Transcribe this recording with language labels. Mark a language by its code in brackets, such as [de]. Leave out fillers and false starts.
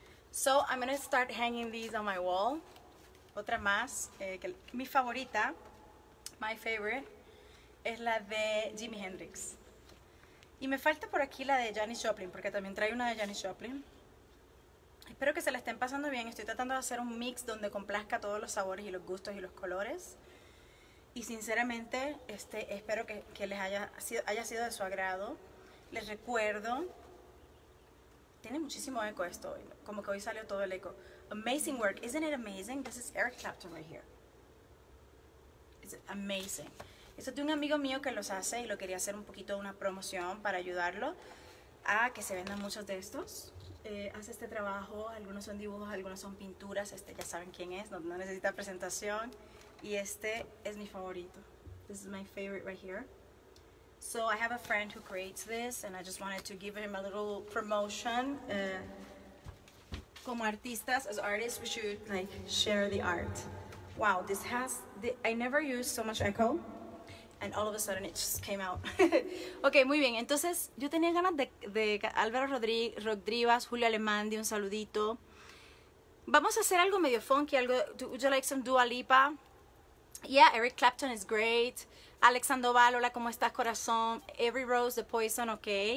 [en] So I'm gonna start hanging these on my wall. [es] Otra más, que mi favorita, [en] my favorite, [es] es la de Jimi Hendrix. Y me falta por aquí la de Janis Joplin, porque también trae una de Janis Joplin. Espero que se la estén pasando bien. Estoy tratando de hacer un mix donde complazca todos los sabores y los gustos y los colores. Y sinceramente, espero que les haya sido de su agrado. Les recuerdo, tiene muchísimo eco esto hoy, como que hoy salió todo el eco. [en] Amazing work, isn't it amazing? This is Eric Clapton right here. It's amazing. [es] Esto es de un amigo mío que los hace y lo quería hacer un poquito de una promoción para ayudarlo a que se vendan muchos de estos. Hace este trabajo, algunos son dibujos, algunos son pinturas, ya saben quién es, no necesita presentación. Y este es mi favorito. [en] This is my favorite right here. So I have a friend who creates this and I just wanted to give him a little promotion. [es] Como artistas, [en] as artists, we should like share the art. Wow, this has, I never used so much echo and all of a sudden it just came out. [es] Ok, muy bien. Entonces, yo tenía ganas de Álvaro Rodríguez, Julio Alemán, de un saludito. Vamos a hacer algo medio funky, algo, [en] would you like some Dua Lipa? Yeah, Eric Clapton is great. [es] Alex Sandoval, hola, ¿cómo estás, corazón? [en] Every Rose, The Poison, ok.